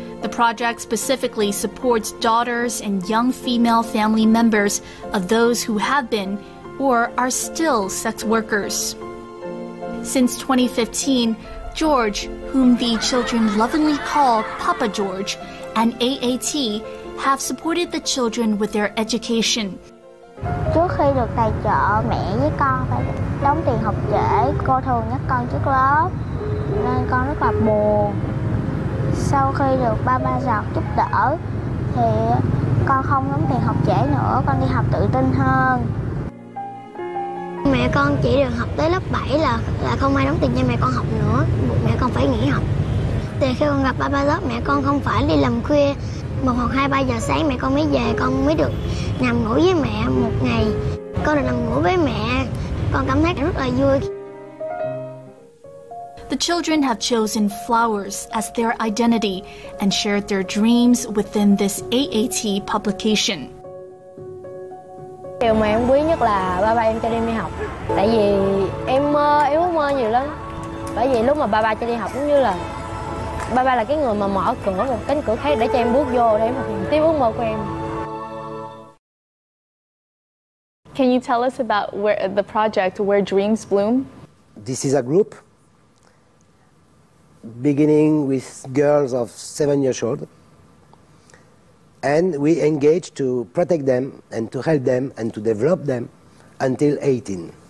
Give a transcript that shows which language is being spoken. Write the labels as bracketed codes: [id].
[en] The project specifically supports daughters and young female family members of those who have been or are still sex workers. Since 2015, George, whom the children lovingly call Papa George, and AAT have supported the children with their education. [vi] Trước khi được tài trợ, mẹ với con phải đóng tiền học dễ. Cô thường nhắc con trước lớp, nên con rất là buồn. Sau khi được ba ba giọt giúp đỡ thì con không đóng tiền học trễ nữa, con đi học tự tin hơn. Mẹ con chỉ được học tới lớp 7 là không ai đóng tiền cho mẹ con học nữa, buộc mẹ con phải nghỉ học. Thì khi con gặp ba ba giọt, mẹ con không phải đi làm khuya, một hoặc 2-3 giờ sáng mẹ con mới về, con mới được nằm ngủ với mẹ một ngày. Con được nằm ngủ với mẹ, con cảm thấy rất là vui. [en] The children have chosen flowers as their identity and shared their dreams within this AAT publication. [vi] Điều mà em quý nhất là ba ba em cho đi học. Tại vì em ước mơ nhiều lắm. Bởi vì lúc mà ba ba cho đi học cũng như là ba ba là cái người mà mở cửa một cánh cửa khác để cho em bước vô để em tiếp ước mơ của em. [en] Can you tell us about where the project Where Dreams Bloom? This is a group beginning with girls of 7 years old. And we engage to protect them and to help them and to develop them until 18.